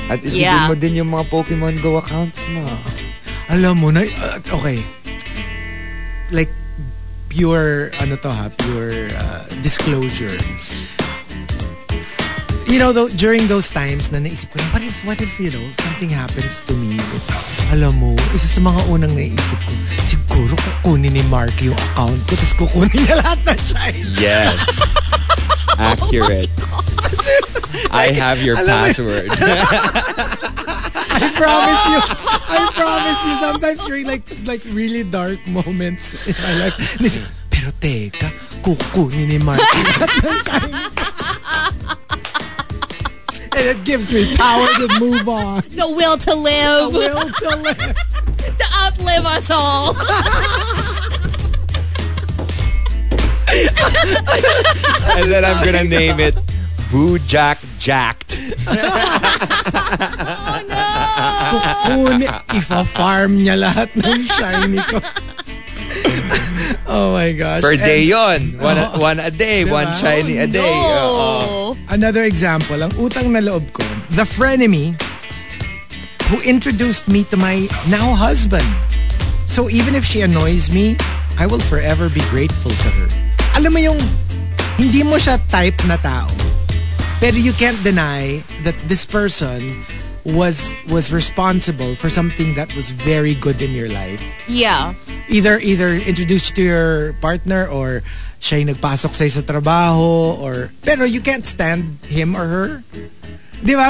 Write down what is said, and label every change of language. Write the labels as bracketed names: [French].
[Filipino] At isipin mo din yung mga Pokemon Go accounts mo. Alam mo na okay. Like pure ano to ha? [English] Pure disclosure. You know, though, during those times, [Filipino] na naisip ko, [English] what if, you know, something happens to me? [Filipino] Alam mo, isa sa mga unang naisip ko, siguro kukunin ni Mark yung account ko, tapos kukunin niya lahat na siya. [English] Yes. Accurate. Oh, I have your password. I promise you, sometimes during like really dark moments in my life, listen, [Filipino] pero teka, kukunin ni Mark yung account [English] and it gives me power to move on. The will to live. The will to live. To outlive us all. And then I'm going to name it Boo Jack Jacked. Oh no. [Filipino] Kukun ifa farm niya lahat ng shiny ko. [English] Oh my gosh. Per day yon. One a day. Diba? One shiny a day. No. [Filipino] Another example. Ang utang na loob ko. [English] The frenemy who introduced me to my now husband. So even if she annoys me, I will forever be grateful to her. [Filipino] Alam mo yung hindi mo siya type na tao. [English] Pero you can't deny that this person was responsible for something that was very good in your life. Yeah. Either introduced you to your partner or [Filipino] siya yung nagpasok sa trabaho [English] or... Pero you can't stand him or her. Di ba?